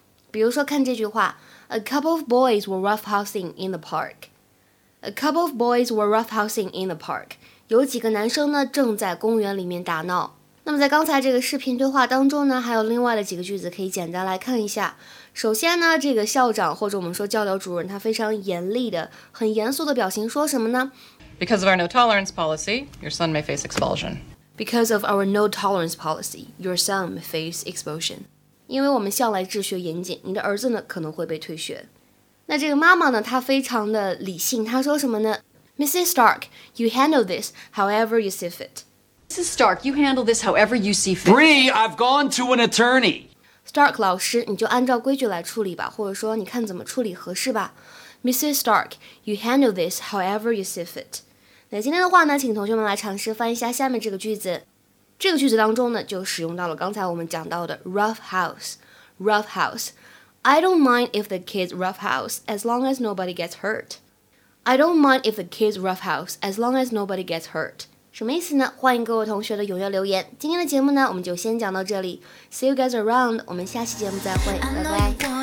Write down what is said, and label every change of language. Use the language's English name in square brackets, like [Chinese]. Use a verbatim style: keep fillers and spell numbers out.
[Chinese] 比如说看这句话 [English] A couple of boys were roughhousing in the park. A couple of boys were roughhousing in the park. [Chinese] 有几个男生呢正在公园里面打闹。那么在刚才这个视频对话当中呢，还有另外的几个句子可以简单来看一下。首先呢，这个校长或者我们说教导主任，他非常严厉的很严肃的表情说什么呢？ [English] Because of our no tolerance policy, your son may face expulsion. Because of our no tolerance policy, your son may face expulsion. [Chinese] 因为我们向来治学严谨，你的儿子呢可能会被退学。那这个妈妈呢，她非常的理性，她说什么呢？ [English] Missus Stark, you handle this however you see fit. Missus Stark, you handle this however you see fit. Bree, I've gone to an attorney. [Chinese] Stark 老师，你就按照规矩来处理吧，或者说你看怎么处理合适吧。 [English] Missus Stark, you handle this however you see fit. [Chinese] 那今天的话呢，请同学们来尝试翻译一下下面这个句子。这个句子当中呢，就使用到了刚才我们讲到的 roughhouse。roughhouse。 I don't mind if the kids roughhouse as long as nobody gets hurt. I don't mind if the kids roughhouse as long as nobody gets hurt. 什么意思呢？欢迎各位同学的踊跃留言。今天的节目呢，我们就先讲到这里。 [English] See you guys around. [Chinese] 我们下期节目再会，拜拜。